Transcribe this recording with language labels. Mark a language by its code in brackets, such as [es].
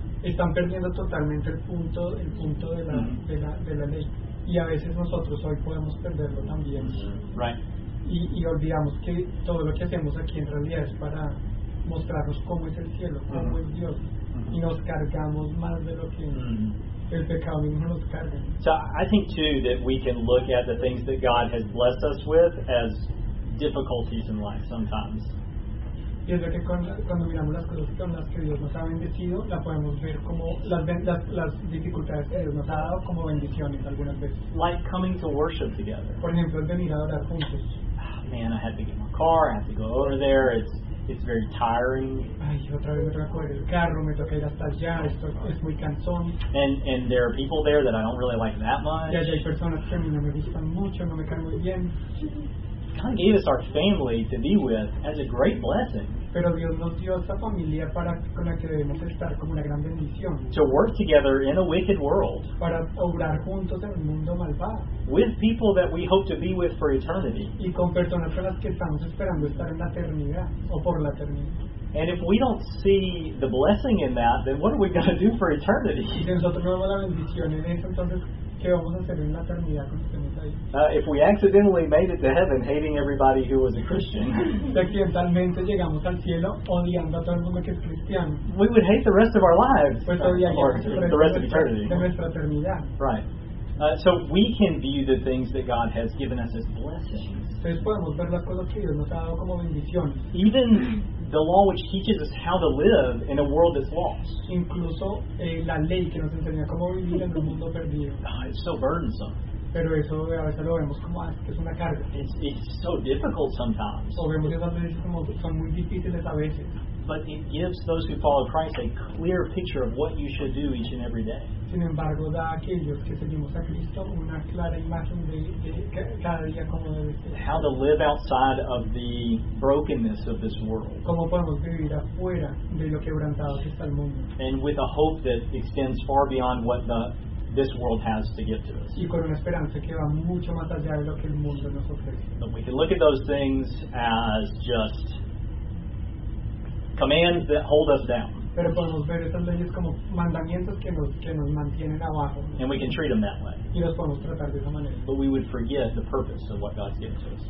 [es] Están perdiendo totalmente el punto de la, uh-huh, de la ley. Y a veces nosotros hoy podemos perderlo también. [en] Uh-huh. Right. [es] Y olvidamos que todo lo que hacemos aquí en realidad es para mostrarnos cómo es el cielo, cómo, uh-huh, es Dios. Uh-huh. Y nos cargamos más de lo que, uh-huh, el pecado mismo nos carga. [en] So I think too that we can look at the things that God has blessed us with as difficulties in life sometimes. [es] Y es lo que cuando miramos las cosas con las que Dios nos ha bendecido, la podemos ver como las dificultades que Dios nos ha dado como bendiciones algunas veces. [en] Like coming to worship together. [es] Por ejemplo, venir a orar juntos. [en] Oh, man, I had to get my car. I had to go over there. It's very tiring. [es] Ay, otra vez me toca coger el carro. Me toca ir hasta allá. Esto es muy cansón. [en] And there are people there that I don't really like that much. [es] Y allá hay personas que a mí no me gustan mucho. No me caen muy bien. [en] God gave us our family to be with as a great blessing. [es] Pero Dios nos dio esta familia para con la que debemos estar como una gran bendición. [en] To work together in a wicked world. [es] Para obrar juntos en un mundo malvado. [en] With people that we hope to be with for eternity. [es] Y con personas con las que estamos esperando estar en la eternidad o por la eternidad. [en] And if we don't see the blessing in that, then what are we going to do for eternity? [es] Y si nosotros no vemos la bendición en eso, entonces ¿qué vamos a hacer en la eternidad cuando estemos ahí? [en] If we accidentally made it to heaven hating everybody who was a Christian, [es] si accidentalmente llegamos al cielo odiando a todo el mundo que es cristiano, [en] we would hate the rest of our lives, [es] pues odiaríamos [en] the rest of eternity, [es] de nuestra eternidad. [en] Right. So we can view the things that God has given us as blessings. [es] Entonces podemos ver las cosas que Dios nos ha dado como bendiciones. [en] Even the law which teaches us how to live in a world that's lost. [es] Incluso la ley que nos enseña cómo vivir en un mundo perdido. [en] It's so burdensome. [es] Pero eso a veces lo vemos como que es una carga. [en] It's so difficult sometimes. [es] O vemos esas veces como que son muy difíciles a veces. [en] But it gives those who follow Christ a clear picture of what you should do each and every day. [es] Sin embargo, da a aquellos que seguimos a Cristo una clara imagen de cada día cómo debe ser. [en] How to live outside of the brokenness of this world. [es] Cómo podemos vivir afuera de lo quebrantado que está el mundo. [en] And with a hope that extends far beyond what this world has to give to us. [es] Y con una esperanza que va mucho más allá de lo que el mundo nos ofrece. [en] But we can look at those things as just commands that hold us down. [es] Pero podemos ver esas leyes como mandamientos que nos mantienen abajo. [en] And we can treat them that way. [es] Y los podemos tratar de esa manera. [en] But we would forget the purpose of what God's given to us.